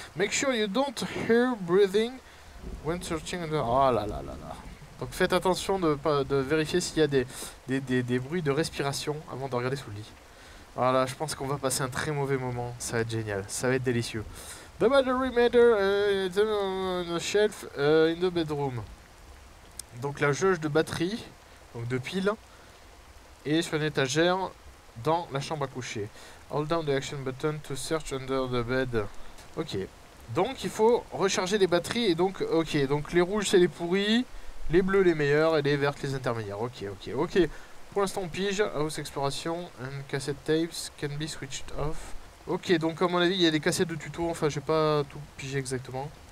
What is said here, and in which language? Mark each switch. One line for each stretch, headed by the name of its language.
English: Make sure you don't hear breathing when searching under...
French: Oh là là là là. Donc faites attention de vérifier s'il y a des bruits de respiration avant de regarder sous le lit. Voilà, je pense qu'on va passer un très mauvais moment. Ça va être génial. Ça va être délicieux.
English: The battery matter is on a shelf in the bedroom.
French: Donc la jauge de batterie, donc de pile, et sur une étagère dans la chambre à coucher.
English: Hold down the action button to search under the bed. Ok.
French: Donc il faut recharger les batteries et donc... Ok, donc les rouges c'est les pourris, les bleus les meilleurs et les verts les intermédiaires. Ok. Pour l'instant, pige,
English: house exploration, and cassette tapes can be switched off.
French: Ok, donc à mon avis, il y a des cassettes de tuto, enfin, j'ai pas tout pigé exactement.